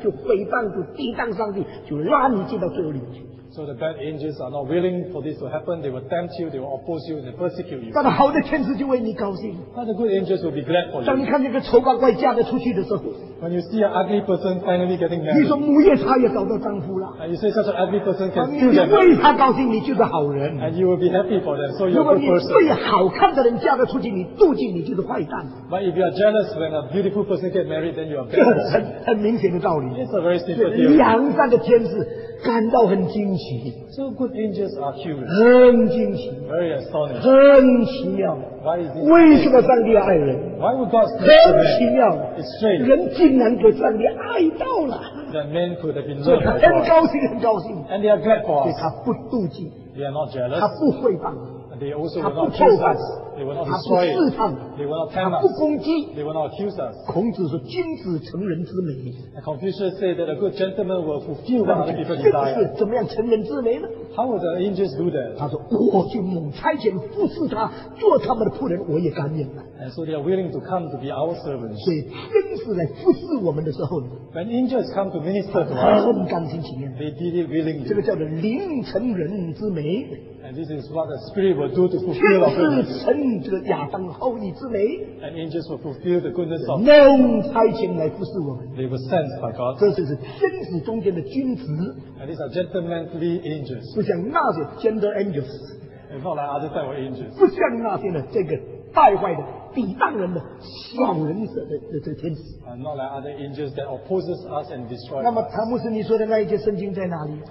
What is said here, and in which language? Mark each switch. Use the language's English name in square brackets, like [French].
[Chinese] 任何的天使就不甘愿妒忌，就试探，就诽谤，就抵挡上帝，就拉你进到罪恶里面去。 [English] So the bad angels are not willing for this to happen. They will tempt you, they will oppose you, and they persecute you. [Chinese] 但好的天使就为你高兴。 [English] But the good angels will be glad for you. [Chinese] 当你看那个丑八怪嫁得出去的时候。 [English] When you see an ugly person finally getting married. [Chinese] 你说母夜叉也找到丈夫了。 [English] And you say such an ugly person can still get married. [Chinese] 你为他高兴，你就是好人。 [English] And you will be happy for them, so you're a good person. [Chinese] 如果你为好看的人嫁得出去，你妒忌，你就是坏蛋。 [English] But if you are jealous when a beautiful person get married, then you are bad. [Chinese] 这很明显的道理。 [English] It's a very simple deal. [Chinese] 良善的天使。感到很惊奇, [English] so good angels are curious. [Chinese] 很惊奇, [English] very astonished. [Chinese] 很奇妙, [English] why is it? [Chinese] 为什么上帝爱人? [English] Why would God say that? [Chinese] 很奇妙, [English] it's strange. [Chinese] 人竟然给上帝爱到了, [English] that men could have been loved. [Chinese] 很高兴, 很高兴, [English] and they are glad for us. [Chinese] 对他不妒忌, [English] they are not jealous. [Chinese] 他不诽谤, [English] and they also will not kill us. They will not destroy us. [Chinese] 他不试探, [English] they will not tempt us. [Chinese] 他不攻击, [English] they will not accuse us. [Chinese] 孔子说君子成人之美, [English] and Confucius said that a good gentleman will fulfill what other people desire. [Chinese] 怎么样成人之美呢? [English] How would the angels do that? [Chinese] 他说我就猛差遣服侍他做他们的仆人我也甘愿了。 [English] And so they are willing to come to be our servants. [Chinese] 所以天使来服侍我们的时候, [English] when angels come to minister to us, [Chinese] 他很甘心情愿, [English] they did it willingly. [Chinese] 这个叫做灵成人之美。 [English] And this is what the Spirit will do to fulfill our goodness. And angels will fulfill the goodness of God. They were sent by God. And these are gentlemanly angels. It's not like other type of angels. [Chinese] 不像那些呢,这个败坏的。抵挡人的小人的天使 [English] and not like other angels that opposes us and destroys us. [Chinese] 那么唐牧师你说的那一节圣经在哪里?